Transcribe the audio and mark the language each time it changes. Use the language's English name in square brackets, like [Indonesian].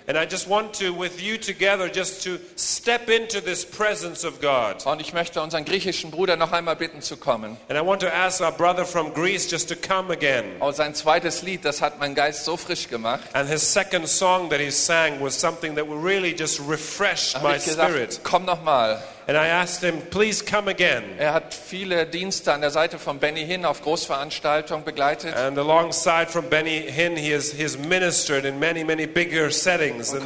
[English] And I just want to, with you together, just to step into this presence of God. [German] Und ich möchte unseren griechischen Bruder noch einmal bitten zu kommen. [English] And I want to ask our brother from Greece just to come again. [German] Oh, sein zweites Lied, das hat meinen Geist so frisch gemacht. [English] And his second song that he sang was something that really just refreshed my spirit. [German] Komm noch mal. [English] And I asked him, please come again. [German] Er hat viele Dienste an der Seite von Benny Hinn auf Großveranstaltungen begleitet. [English] And alongside from Benny Hinn, he has ministered in many, many bigger settings than